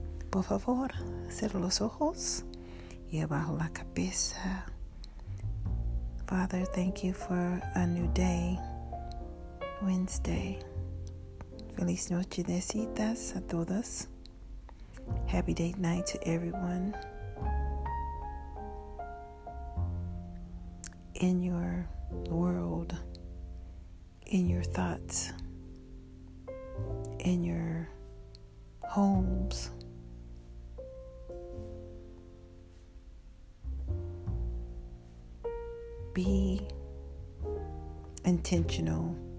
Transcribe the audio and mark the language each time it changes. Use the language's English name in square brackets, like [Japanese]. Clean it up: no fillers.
[Spanish] Por favor, cierra los ojos y abajo la cabeza. [English] Father, thank you for a new day, Wednesday. [Spanish] Feliz noche de citas a todas. [English] Happy date night to everyone. In your world, in your thoughts, in your homes, be intentional